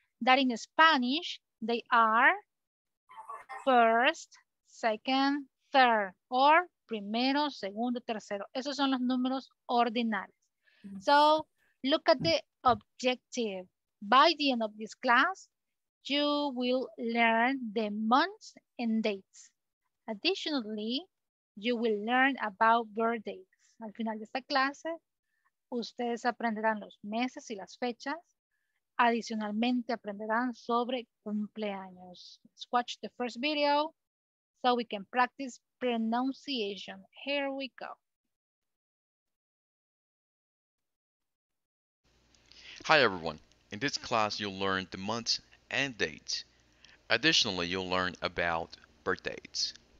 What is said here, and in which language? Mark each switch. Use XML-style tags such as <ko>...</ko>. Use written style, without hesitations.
<en>That in Spanish, they are first, second, third, or</en> <es>primero, segundo, tercero. Esos son los números ordinales. Mm-hmm.</es> <en>So look at the objective. By the end of this class, you will learn the months and dates. Additionally, you will learn about birthdays.</en> <es>Al final de esta clase, ustedes aprenderán los meses y las fechas. Adicionalmente, aprenderán sobre cumpleaños.</es> <en>Let's watch the first video so we can practice pronunciation. Here we go. Hi, everyone. In this class, you'll learn the months and dates. Additionally, you'll learn about birthdays.</en>